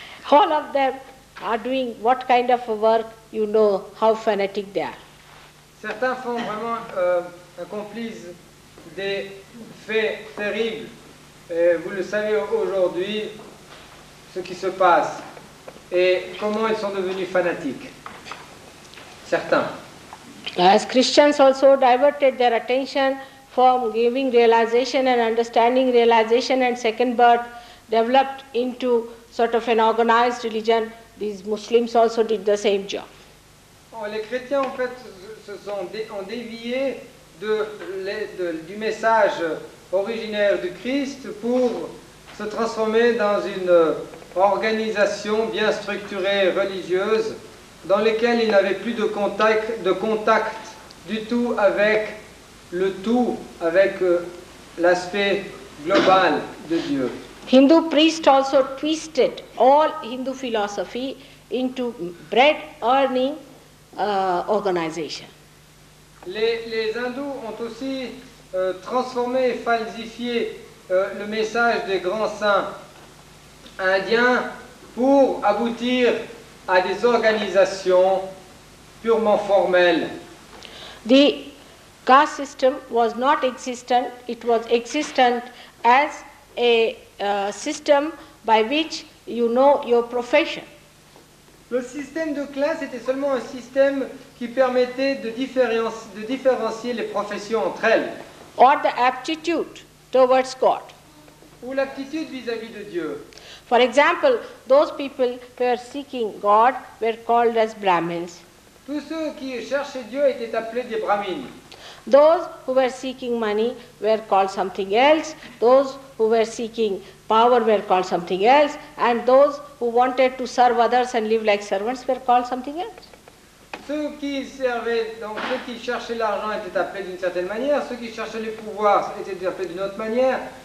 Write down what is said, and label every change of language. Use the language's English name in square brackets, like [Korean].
[English] All of them are doing what kind of a work, you know, how fanatic they are. [French] Certains font vraiment accomplissent des faits terribles. Et vous le savez aujourd'hui, ce qui se passe et comment ils sont devenus fanatiques. Certains. [English] As Christians also diverted their attention from giving realization and understanding realization and second birth, developed into sort of an organized religion. These Muslims also did the same job. [French] Les chrétiens en fait ont dévié du message originaire du Christ pour se transformer dans une organisation bien structurée religieuse dans laquelle ils n'avaient plus de contact du tout avec le tout, avec l'aspect global de Dieu. [English] Hindu priests also twisted all Hindu philosophy into bread earning organization. [French] Les hindous ont aussi transformé et falsifié le message des grands saints indiens pour aboutir à des organisations purement formelles. [English] The caste system was not existent, it was existent as a system by which you know your profession. [French] Le système de classe était seulement un système qui permettait de différencier les professions entre elles. [English] Or the aptitude towards God. [French] Ou l'aptitude vis-à-vis de Dieu. [English] For example, those people who were seeking God were called as Brahmins. [French] Tous ceux qui cherchaient Dieu étaient appelés des Brahmins. [English] Those who were seeking money were called something else. Those who were seeking power were called something else. And those who wanted to serve others and live like servants were called something else. [French] Ceux qui cherchaient l'argent étaient appelés d'une certaine manière. Ceux qui cherchaient le pouvoir étaient appelés d'une autre manière.